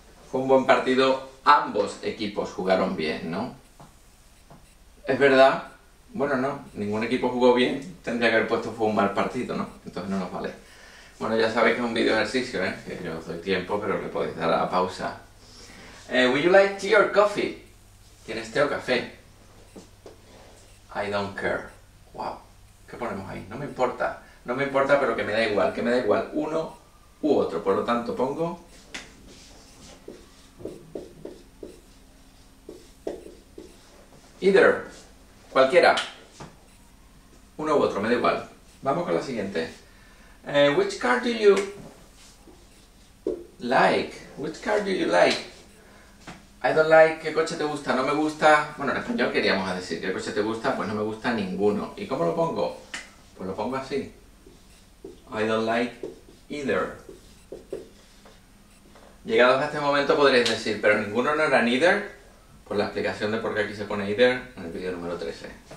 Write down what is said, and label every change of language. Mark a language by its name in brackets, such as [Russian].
[Spanish] Fue un buen partido, ambos equipos jugaron bien, ¿no? Es verdad, bueno, no, ningún equipo jugó bien, tendría que haber puesto fue un mal partido, ¿no? Entonces no nos vale. Bueno, ya sabéis que es un video ejercicio, ¿eh? Que yo os doy tiempo, pero que podéis dar a pausa. [English] Would you like tea or coffee? [Spanish] ¿Tienes té o café? [English] I don't care. [Spanish] Wow. ¿Qué ponemos ahí? No me importa. No me importa, pero que me da igual. Que me da igual uno u otro. Por lo tanto, pongo... Either. Cualquiera. Uno u otro, me da igual. Vamos con la siguiente. [English] Which car do you like? Which car do you like? I don't like. [Spanish] ¿Qué coche te gusta? No me gusta. Bueno, en español queríamos decir ¿qué coche te gusta? Pues no me gusta ninguno. ¿Y cómo lo pongo? Pues lo pongo así. [English] I don't like either. [Spanish] Llegados a este momento podréis decir, pero ninguno no era neither. Por la explicación de por qué aquí se pone either en el vídeo número 13.